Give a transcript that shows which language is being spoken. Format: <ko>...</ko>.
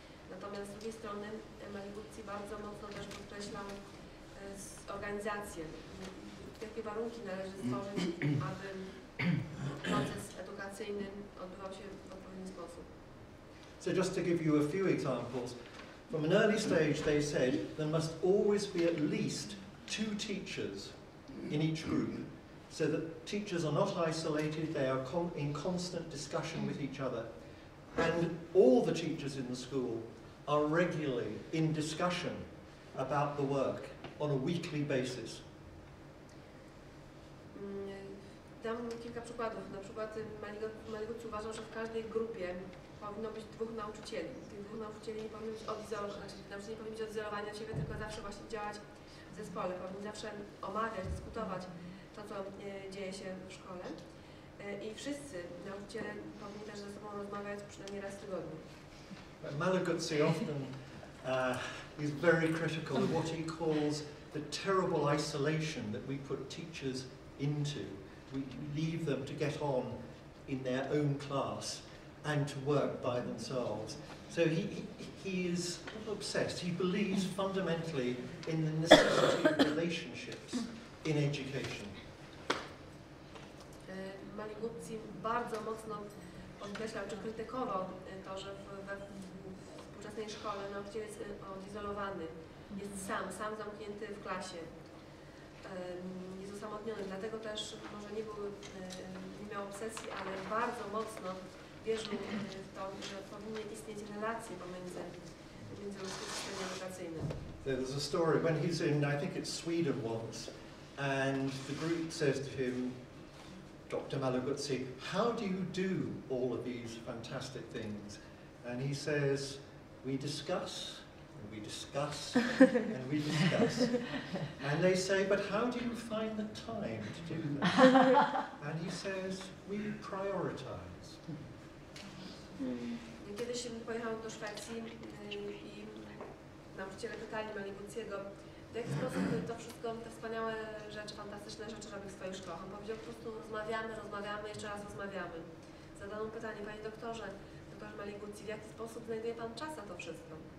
<pl>Natomiast z drugiej strony Maliguzzi bardzo mocno też podkreślał organizację, jakie warunki należy stworzyć, aby proces edukacyjny odbywał się w odpowiedni sposób.</pl> <en>So just to give you a few examples. From an early stage they said there must always be at least two teachers in each group so that teachers are not isolated, they are in constant discussion with each other. And all the teachers in the school are regularly in discussion about the work on a weekly basis.</en> <pl>Dam kilka przykładów. Na przykład Maliguzzi uważa, że w każdej grupie powinno być dwóch nauczycieli. Tych dwóch nauczycieli nie powinno być odizolowani od siebie, tylko zawsze właśnie działać w zespole. Powinni zawsze omawiać, dyskutować to, co dzieje się w szkole. I wszyscy nauczyciele powinni też ze sobą rozmawiać przynajmniej raz w tygodniu.</pl> <en>Maliguzzi often is very critical of what he calls the terrible isolation that we put teachers into. We leave them to get on in their own class and to work by themselves. So he is obsessed. He believes fundamentally in the necessity of relationships in education.</en> <pl>Maliguzzi bardzo mocno podkreślał czy krytykował to, że w współczesnej szkole nauczyciel jest odizolowany, jest sam zamknięty w klasie. Jest osamotniony, dlatego też może nie miał obsesji, ale bardzo mocno wierzył w to, że powinny istnieć relacje pomiędzy systemem edukacyjnym.</pl> <en>There's a story when he's in, I think it's Sweden once, and the group says to him, Dr. Maliguzzi, how do you do all of these fantastic things? And he says, we discuss, and we discuss, and we discuss. And they say, but how do you find the time to do that? And he says, we prioritize.</en> <pl>Kiedyś pojechałem do Szwecji i nauczyciele pytali Maliguzziego, w jaki sposób to wszystko, te wspaniałe rzeczy, fantastyczne rzeczy robi w swoich szkołach. On powiedział, po prostu rozmawiamy, jeszcze raz rozmawiamy. Zadano pytanie, panie doktorze, doktorze Maliguzzi, w jaki sposób znajduje pan czas na to wszystko?</pl>